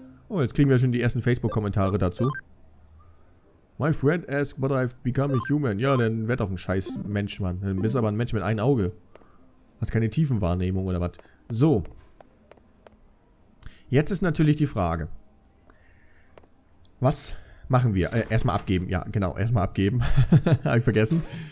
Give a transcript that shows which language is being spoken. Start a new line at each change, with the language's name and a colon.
German: Oh, jetzt kriegen wir schon die ersten Facebook-Kommentare dazu.
English: My friend asked, but I've become a human.
German: Ja, dann werd doch ein scheiß Mensch, Mann. Dann bist aber ein Mensch mit einem Auge. Hast keine Tiefenwahrnehmung oder was. So. Jetzt ist natürlich die Frage. Was machen wir? Erstmal abgeben. Ja, genau. Erstmal abgeben. Hab ich vergessen.